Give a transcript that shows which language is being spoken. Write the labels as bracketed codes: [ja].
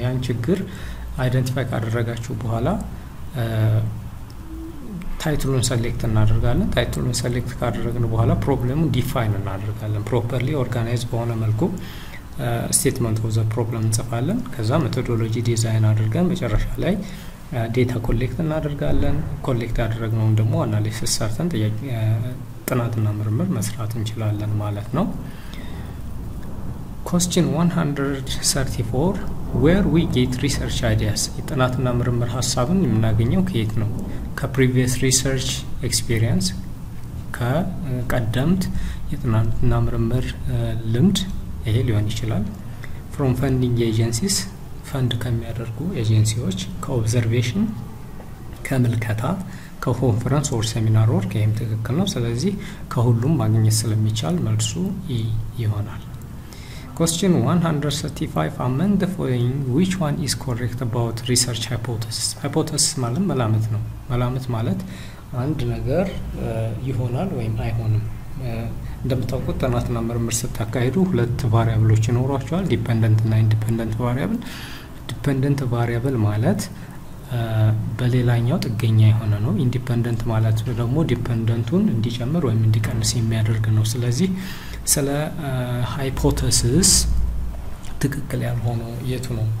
[am] ያን ችግር identify ካደረጋችሁ በኋላ ታይትሉን ሰሌክት እናደርጋለን። ታይትሉን ሰሌክት ካደረግን በኋላ ፕሮብለሙን ዲፋይን እናደርጋለን። ፕሮፐርሊ ኦርጋናይዝ በሆነ መልኩ ስቴትመንት ኦፍ ዘ ፕሮብለም እንጽፋለን። ከዛ ሜቶዶሎጂ ዲዛይን አድርገን መጨረሻ ላይ ዴታ ኮሌክት እናደርጋለን። ኮሌክት አደረግነውን ደግሞ አናሊሲስ ሰርተን ጥናትና ምርምር መስራት እንችላለን ማለት ነው። [en] Question 134. Where we get research ideas? [am] ጥናትና ምርምር ሐሳብን የምናገኘው ከየት ነው? ከprevious research experience, ከቀደምት የጥናትና ምርምር ልምድ ይሄ ሊሆን ይችላል። [en] From funding agencies, [am] fund ከሚያደርጉ ኤጀንሲዎች, ከobservation, ከመልከታ, ከconference or seminar work ይሄም ትክክል ነው። ስለዚህ ከሁሉም ማግኘት ስለሚቻል መልሱ E ይሆናል። [en] Question 135, amend the following, which one is correct about research hypothesis? [am] Hypothesis ማለት መላምት ነው። መላምት ማለት አንድ ነገር ይሆናል ወይም አይሆንም። እንደምታውቁት ጥናትና ምርምር ስታካሂዱ ሁለት ቫሪያብሎች ይኖራቸዋል፣ ዲፔንደንት እና ኢንዲፔንደንት ቫሪያብል። ዲፔንደንት ቫሪያብል ማለት በሌላኛው ጥገኛ የሆነ ነው። ኢንዲፔንደንት ማለት ደግሞ ዲፔንደንቱን እንዲጨምር ወይም እንዲቀንስ የሚያደርግ ነው። ስለዚህ ስለ ሃይፖቴሲስ ትክክል ያልሆነ የቱ ነው?